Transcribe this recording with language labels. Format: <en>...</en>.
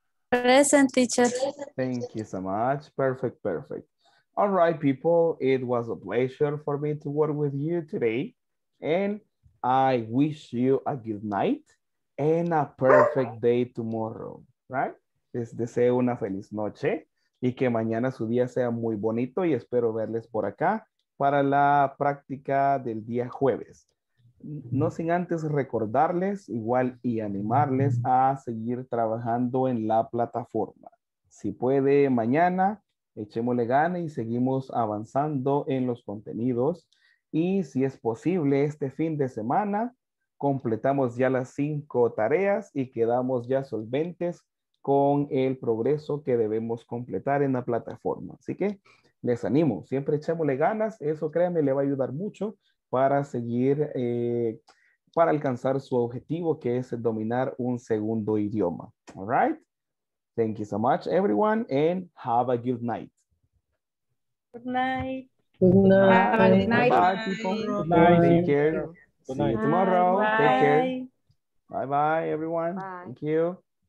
<en>Present, teacher. Thank you so much. Perfect, perfect. All right, people, it was a pleasure for me to work with you today. And I wish you a good night and a perfect day tomorrow, right?</en> <es>Les deseo una feliz noche y que mañana su día sea muy bonito y espero verles por acá para la práctica del día jueves. No sin antes recordarles igual y animarles a seguir trabajando en la plataforma. Si puede, mañana echémosle gana y seguimos avanzando en los contenidos. Y si es posible, este fin de semana completamos ya las 5 tareas y quedamos ya solventes con el progreso que debemos completar en la plataforma. Así que les animo, siempre echémosle ganas. Eso, créanme, le va a ayudar mucho para seguir, para alcanzar su objetivo, que es dominar un segundo idioma.</es> <en>All right. Thank you so much, everyone, and have a good night. Good night. Good night. Have a good night. Bye, bye, people. Good night. Take care. Good night. See you tomorrow. Bye. Take care. Bye-bye, everyone. Bye. Thank you.</en>